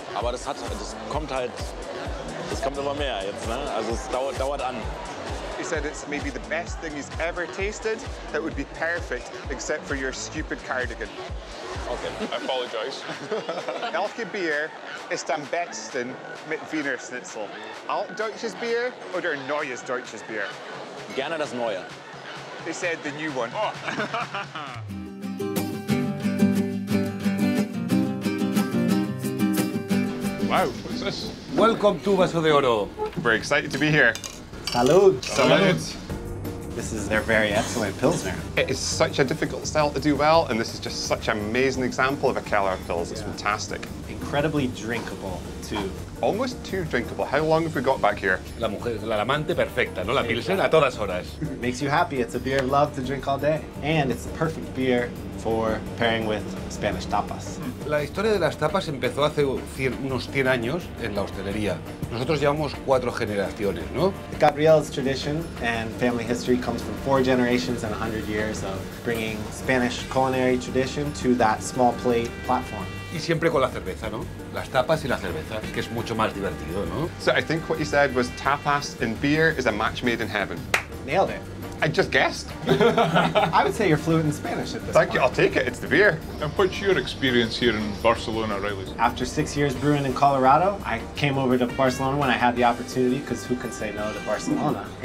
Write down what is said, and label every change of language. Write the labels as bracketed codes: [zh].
[de] Aber das hat, das kommt halt, das kommt immer mehr jetzt, ne? Also es dauert an. [en] He said it's maybe the best thing he's ever tasted. That would be perfect, except for your stupid cardigan. Okay, I apologize. [de] Elke Bier ist am besten mit Wiener Schnitzel. Altdeutsches Bier oder neues deutsches Bier? Gerne das neue. [en] He said the new one. Oh. Wow, what's this? Welcome to Vaso de Oro. We're excited to be here. [es] Salud. Salud. [en] This is their very excellent Pilsner. It is such a difficult style to do well, and this is just such an amazing example of a Keller Pils. It's fantastic. Incredibly drinkable, too. Almost too drinkable. How long have we got back here? [es] La mujer, la amante perfecta, no? La Pilsner a todas horas. [en] Makes you happy. It's a beer of love to drink all day. And it's the perfect beer for pairing with Spanish tapas. [es] La historia de las tapas empezó hace unos 100 años en la hostelería. Nosotros llevamos cuatro generaciones, ¿no? [en] Gabriel's tradition and family history comes from 4 generations and 100 years of bringing Spanish culinary tradition to that small plate platform. [es] Y siempre con la cerveza, ¿no? Las tapas y la cerveza, que es mucho más divertido, ¿no? [en] So I think what you said was tapas and beer is a match made in heaven. Nailed it. I just guessed. I would say you're fluent in Spanish at this Thank you, I'll take it, it's the beer. And what's your experience here in Barcelona, Riley? After 6 years brewing in Colorado, I came over to Barcelona when I had the opportunity, because who can say no to Barcelona? Mm.